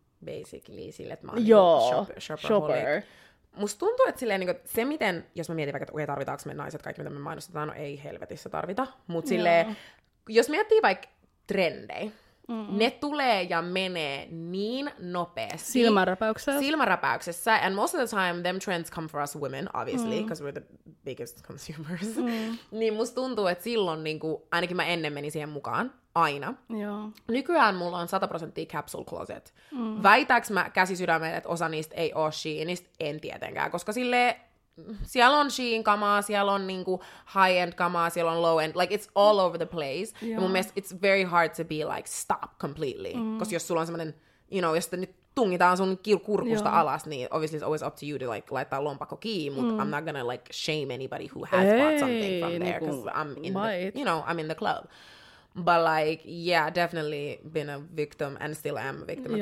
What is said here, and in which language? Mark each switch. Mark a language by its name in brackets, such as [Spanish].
[Finnish] Basically, sille, että mä oon joo, shopper. Musta tuntuu, että silleen, niin se, miten, jos mä mietin vaikka, että okei, tarvitaanko me naiset kaikki, mitä me mainostetaan, no ei helvetissä tarvita, mutta silleen, jos miettii vaikka trendejä, ne tulee ja menee niin nopeasti. Silmänräpäyksessä. [English] And most of the time, them trends come for us women, obviously, because we're the biggest consumers. [Finnish] Niin musta tuntuu, että silloin, niin kuin, ainakin mä ennen menin siihen mukaan, aina. Joo. Nykyään mulla on 100% [English] capsule closet. [Finnish] Väitääks mä käsisydämeen, että osa niistä ei oo sheenistä? En tietenkään, koska sille siellä on sheen kamaa, siellä on niinku high-end kamaa, siellä on low-end. [English] Like, it's all over the place. [Finnish] Ja mun mielestä [English] it's very hard to be like, stop completely. [Finnish] Koska jos sulla on semmonen, [English] you know, [Finnish] jos nyt tungitaan sun kurkusta alas, niin [English] obviously it's always up to you to like [Finnish] laittaa lompakko kiinni, [English] mutta I'm not gonna like shame anybody who has bought something from there, because I'm in the, you know, I'm in the club. But like, yeah, definitely been a victim and still am a victim.